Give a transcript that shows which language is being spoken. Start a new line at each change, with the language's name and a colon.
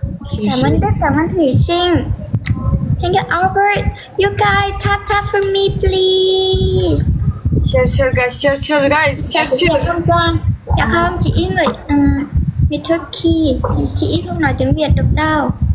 Vietnamese: Cảm ơn rất cảm ơn Thủy Trinh.
English: Thank you Albert. You guys tap tap for me please. Share share guys, share share guys, share share.
Vietnamese: Dạ không, dạ không, chị ý người Việt Turkey. Chị ý không nói tiếng Việt được đâu.